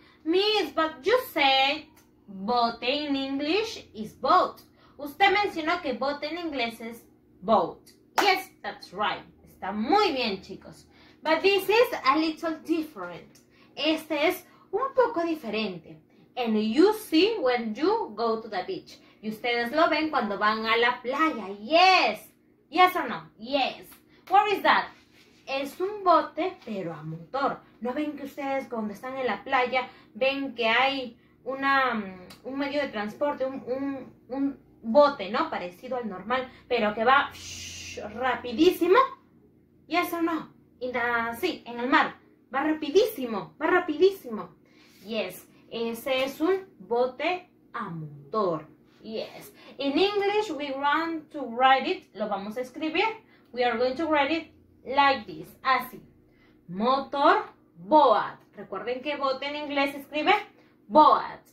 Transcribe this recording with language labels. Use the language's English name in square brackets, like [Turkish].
[English] Miss, but you said bote in English is boat. [Spanish] Usted mencionó que bote en inglés es boat. [English] Yes, that's right. [Spanish] Está muy bien, chicos. [English] But this is a little different. [Spanish] Este es un poco diferente. [English] And you see when you go to the beach. [Spanish] Y ustedes lo ven cuando van a la playa. [English] Yes. Yes or no? Yes. What is that? [Spanish] Es un bote, pero a motor. ¿No ven que ustedes cuando están en la playa ven que hay un medio de transporte, un bote, ¿no? Parecido al normal, pero que va rapidísimo. [English] Yes or no? [Spanish] Sí, en el mar. Va rapidísimo, va rapidísimo. Yes, ese es un bote a motor. Yes. [English] In English, we want to write it. [Spanish] Lo vamos a escribir. [English] We are going to write it like this. [Spanish] Así. Motor boat. Recuerden que bote en inglés se escribe boat.